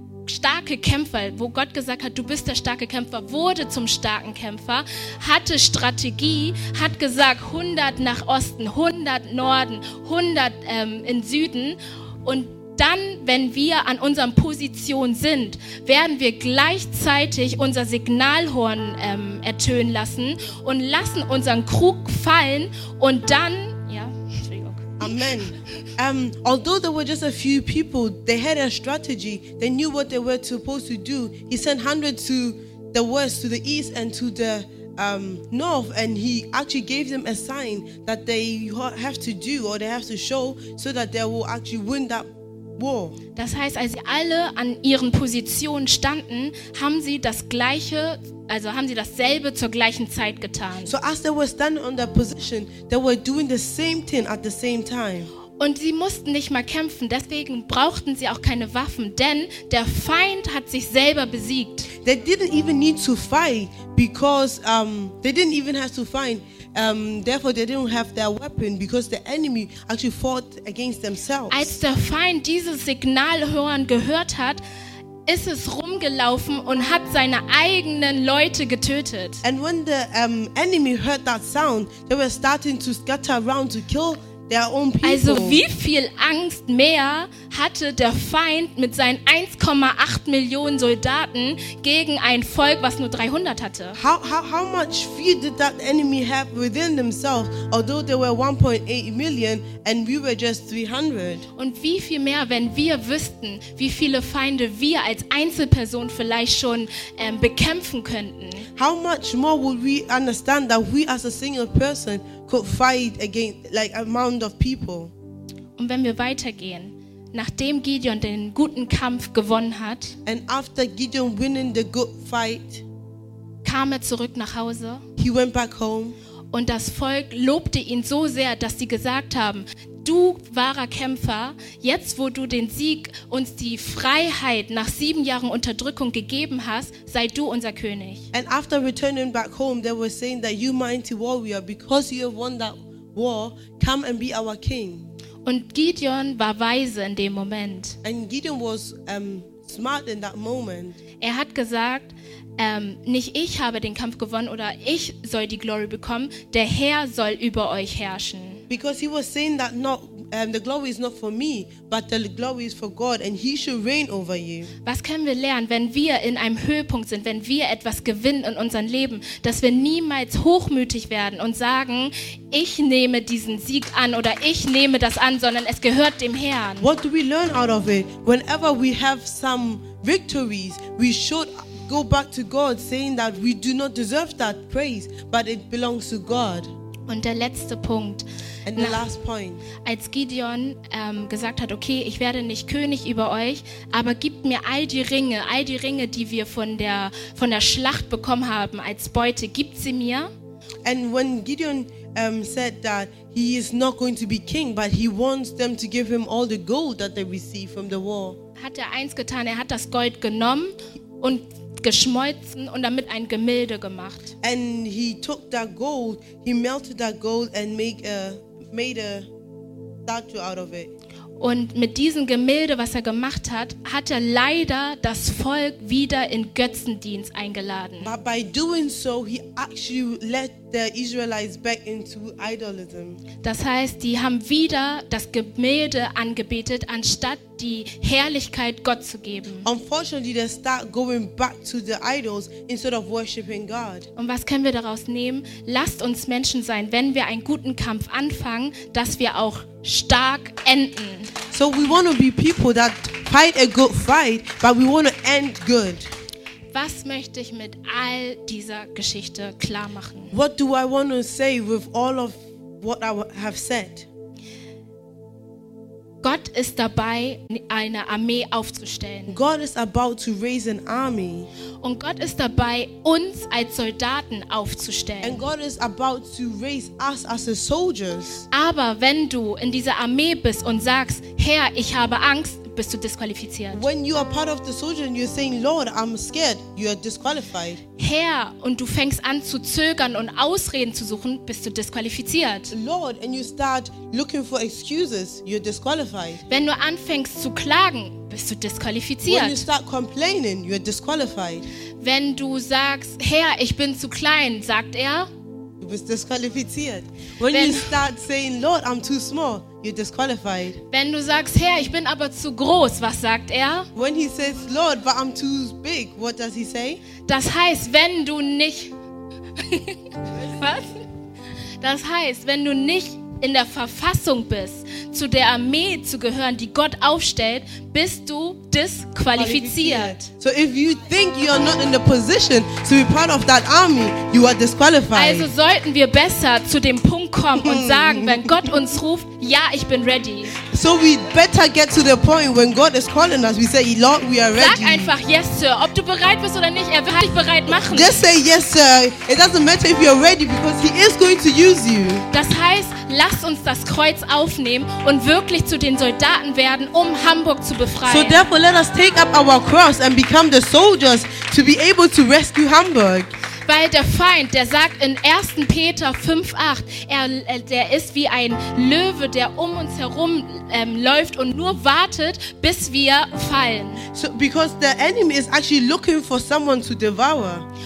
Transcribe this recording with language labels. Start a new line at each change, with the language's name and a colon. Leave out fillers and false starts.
German: starke Kämpfer, wo Gott gesagt hat, du bist der starke Kämpfer, wurde zum starken Kämpfer, hatte Strategie, hat gesagt, 100 nach Osten, 100 Norden, 100 in Süden. Und dann, wenn wir an unserer Position sind, werden wir gleichzeitig unser Signalhorn ertönen lassen und lassen unseren Krug fallen und dann, ja, Entschuldigung. Amen.
English: Although there were just a few people, they had a strategy, they knew what they were supposed to do. He sent 100 to the west, to the east and to the north, and he actually gave them a sign that they have to do or they have to show so that they will actually win that war.
German: Das heißt, als sie alle an ihren Positionen standen, haben sie das gleiche, also haben sie dasselbe zur gleichen Zeit getan.
English: So as they were standing on their position, they were doing the same thing at the same time.
German: Und sie mussten nicht mal kämpfen, deswegen brauchten sie auch keine Waffen, denn der Feind hat sich selber besiegt.
English: They didn't even need to fight because they didn't even have to fight. Therefore they didn't have their weapon because the enemy actually fought against themselves.
German: Als der Feind dieses Signalhorn gehört hat, ist es rumgelaufen und hat seine eigenen Leute getötet.
English: And when the enemy heard that sound, they were starting to scatter around to kill.
German: Also wie viel Angst mehr hatte der Feind mit seinen 1,8 Millionen Soldaten gegen ein Volk, was nur 300 hatte?
English: How much fear did that enemy have within themselves, although there were 1.8 million and we were just 300?
German: Und wie viel mehr, wenn wir wüssten, wie viele Feinde wir als Einzelperson vielleicht schon bekämpfen könnten?
English: How much more would we understand that we as a single person could fight against like a mound of people?
German: Und wenn wir weitergehen, nachdem Gideon den guten Kampf gewonnen hat,
English: and after Gideon winning the good fight,
German: kam er zurück nach Hause.
English: He went back home.
German: Und das Volk lobte ihn so sehr, dass sie gesagt haben, du wahrer Kämpfer, jetzt wo du den Sieg und die Freiheit nach 7 Jahren Unterdrückung gegeben hast, sei du unser König.
English: And after returning back home, they were saying that you mighty warrior, because you have won that war, come and be our king.
German: Und Gideon war weise in dem Moment.
English: And Gideon was smart in that moment.
German: Er hat gesagt, nicht ich habe den Kampf gewonnen oder ich soll die Glory bekommen, der Herr soll über euch herrschen.
English: Because he was saying that not the glory is not for me, but the glory is for God, and He should reign over you.
German: Was können wir lernen, wenn wir in einem Höhepunkt sind, wenn wir etwas gewinnen in unserem Leben, dass wir niemals hochmütig werden und sagen, ich nehme diesen Sieg an oder ich nehme das an, sondern es gehört dem Herrn.
English: What do we learn out of it? Whenever we have some victories, we should go back to God, saying that we do not deserve that praise, but it belongs to God.
German: Und der letzte Punkt.
English: And the last point.
German: Als Gideon gesagt hat, okay, ich werde nicht König über euch, aber gibt mir all die Ringe, die wir von der Schlacht bekommen haben als Beute, gibt sie mir.
English: And when Gideon said that he is not going to be king, but he wants them to give him all the gold that they received from the war.
German: Hat er eins getan, er hat das Gold genommen und geschmolzen und damit ein Gemälde gemacht.
English: And he took that gold, he melted that gold and made a statue out of it.
German: Und mit diesem Gemälde, was er gemacht hat, hat er leider das Volk wieder in Götzendienst eingeladen.
English: But by doing so, he actually led the Israelites back into idolism.
German: Das heißt, die haben wieder das Gemälde angebetet, anstatt die Herrlichkeit Gott zu geben.
English: Unfortunately, they start going back to the idols instead of worshiping God.
German: Und was können wir daraus nehmen? Lasst uns Menschen sein, wenn wir einen guten Kampf anfangen, dass wir auch stark enden.
English: So we want to be people that fight a good fight, but we want to end good.
German: Was möchte ich mit all dieser Geschichte klar machen?
English: What do I want to say with all of what I have said?
German: Gott ist dabei, eine Armee aufzustellen.
English: God is about to raise an army.
German: Und Gott ist dabei, uns als Soldaten aufzustellen.
English: And God is about to raise us as the soldiers.
German: Aber wenn du in dieser Armee bist und sagst, Herr, ich habe Angst, bist du disqualifiziert.
English: When you are part of the soldier and you're saying, Lord, I'm scared, you are disqualified.
German: Herr, und du fängst an zu zögern und Ausreden zu suchen, bist du disqualifiziert.
English: Lord, and you start looking for excuses, you're disqualified.
German: Wenn du anfängst zu klagen, bist du disqualifiziert.
English: When you start complaining, you're disqualified.
German: Wenn du sagst, Herr, ich bin zu klein, sagt er. Du bist disqualifiziert.
English: When you start saying, Lord, I'm too small, you're disqualified.
German: Wenn du sagst, Herr, ich bin aber zu groß, was sagt er?
English: When he says, Lord, but I'm too big, what does he say?
German: Das heißt, wenn du nicht... Was? Das heißt, wenn du nicht in der Verfassung bist, zu der Armee zu gehören, die Gott aufstellt, bist du disqualifiziert.
English: So if you think you are not in the position to be part of that army, you are disqualified.
German: Also sollten wir besser zu dem Punkt kommen und sagen, wenn Gott uns ruft, ja, ich bin ready.
English: So we better get to the point when God is calling us, we say, Lord, we are ready.
German: Sag einfach
English: yes, sir,
German: ob du bereit bist oder nicht, er wird dich bereit machen.
English: Just say yes, sir. It doesn't matter if you're ready, because he is going to use you.
German: Das heißt, lass uns das Kreuz aufnehmen und wirklich zu den Soldaten werden, um Hamburg zu befreien.
English: So therefore, let us take up our cross and become the soldiers to be able to rescue Hamburg.
German: Weil der Feind, der sagt in 1. Peter 5,8, der ist wie ein Löwe, der um uns herum läuft und nur wartet, bis wir fallen.
English: So, because the enemy is actually looking for someone to devour.